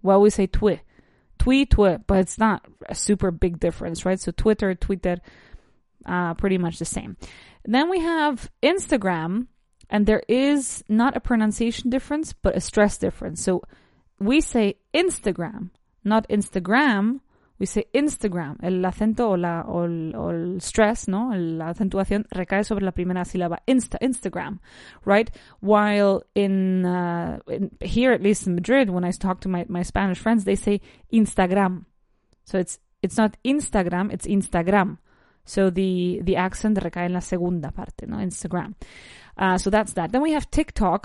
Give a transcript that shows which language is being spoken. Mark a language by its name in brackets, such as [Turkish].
[English] Well, we say Twi, but it's not a super big difference, right? So Twitter, Twitter, pretty much the same. Then we have Instagram, and there is not a pronunciation difference, but a stress difference. So we say Instagram, not Instagram. We say Instagram, [Spanish] el acento o el stress, ¿no? La acentuación recae sobre la primera sílaba, Instagram, right? [English] While in here, at least in Madrid, when I talk to my Spanish friends, they say Instagram. So it's not Instagram, it's Instagram. So the accent [Spanish] recae en la segunda parte, ¿no? [English] Instagram. So that's that. Then we have TikTok.